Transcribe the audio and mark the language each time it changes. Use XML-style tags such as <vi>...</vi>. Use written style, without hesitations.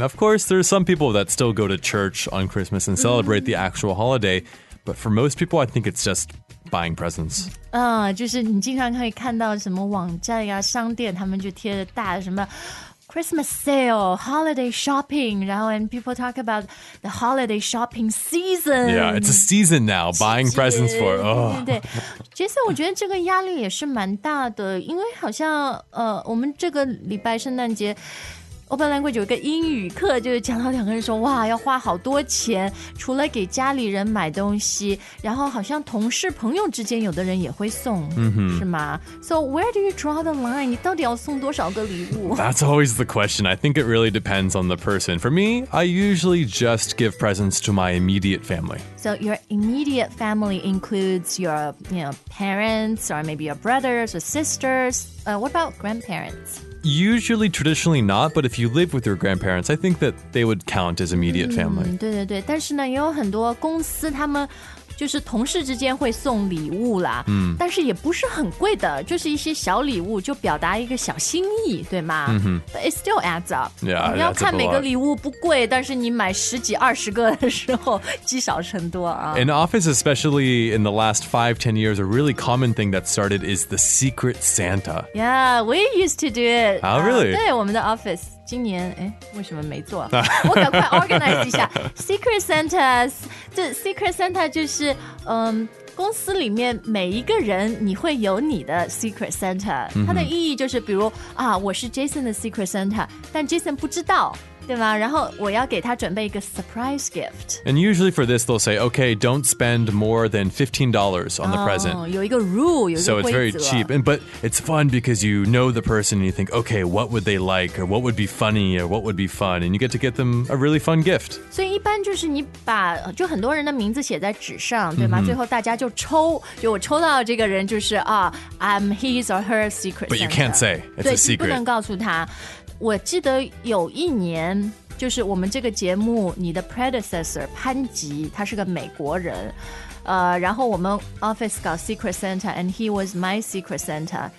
<en>Of course, there's some people that still go to church on Christmas and celebrate the actual holiday, but for most people, I think it's just buying presents.</en> <zh>就是你经常可以看到什么网站呀、商店，他们就贴着大什么</zh> <en>Christmas sale, holiday shopping, and people talk about the holiday shopping season. Yeah, it's a season now, buying presents for.</en> <zh>对对对，Jason, 我觉得这个压力也是蛮大的，因为好像我们这个礼拜圣诞节Open Language 有一个英语课，就是讲到两个人说，哇，要花好多钱，除了给家里人买东西，然后好像同事朋友之间有的人也会送、 mm-hmm. 是吗？</zh> <en>So where do you draw the line?</en> <zh>你到底要送多少个礼物？</zh> <en>That's always the question. I think it really depends on the person. For me, I usually just give presents to my immediate family. So your immediate family includes your, you know, parents or maybe your brothers or sisters. What about grandparents? Usually, traditionally not, but if you live with your grandparents, I think that they would count as immediate family.</en> <zh>对对对，但是呢，也有很多公司他们就是同事之间会送礼物啦，但是也不是很贵的，就是一些小礼物，就表达一个小心意，对吗？ Mm-hmm.</zh> <en>But it still adds up. Yeah,</en> <zh>你要看每个礼物不贵，但是你买十几二十个的时候，积少成多啊。</zh> <en>In office, especially in the last 5-10 years, a really common thing that started is the secret Santa. Yeah, we used to do it. Oh, really?</en> <zh>对，我们的 office. 今年为什么没做？我赶快 organize 一下 Secret Santas。这 Secret Santa 就是公司里面每一个人，你会有你的 Secret Santa。它的意义就是，比如啊，我是 Jason 的 Secret Santa， 但 Jason 不知道。对吗？然后我要给他准备一个</zh> <en>surprise gift. And usually for this, they'll say, okay, don't spend more than $15 on the present.</en> <zh>有一个 rule, 有一个规则。</zh> <en>So it's very cheap. But it's fun because you know the person and you think, okay, what would they like? Or what would be funny? Or what would be fun? And you get to get them a really fun gift.</en> <zh>所以一般就是你把就很多人的名字写在纸上，对吗？最后大家就抽，就我抽到这个人就是啊</zh> <en>I'm his or her secret. But you can't say. It's a secret.</en> <zh>对，不能告诉他。我记得有一年就是我们这个节目你的 predecessor 潘吉他是个美国人然后我们 office 搞 secret Santa</zh> <en>and he was my secret Santa</en>